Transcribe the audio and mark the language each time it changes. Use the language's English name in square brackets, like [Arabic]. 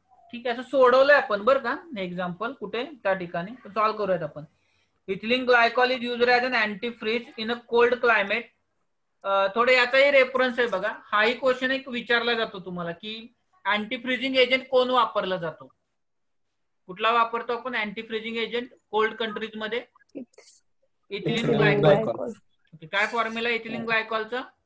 [Marathi] ठीक आहे, असं सोडवलंय आपण बरं का हे एक्झाम्पल कुठे त्या ठिकाणी सॉल्व करूयात आपण. [English] Ethylene glycol is use as an antifreeze in a cold climate. [Marathi] थोडे याचाही रेफरन्स आहे. बघा, हाही क्वेश्चन एक विचारला जातो तुम्हाला की अँटीफ्रीजिंग एजंट कोण वापरला जातो, कुठला वापरतो आपण अँटीफ्रीजिंग एजंट कोल्ड कंट्रीज मध्ये. Ethylene glycol. काय फॉर्म्युला इथिलीन ग्लायकॉलचा?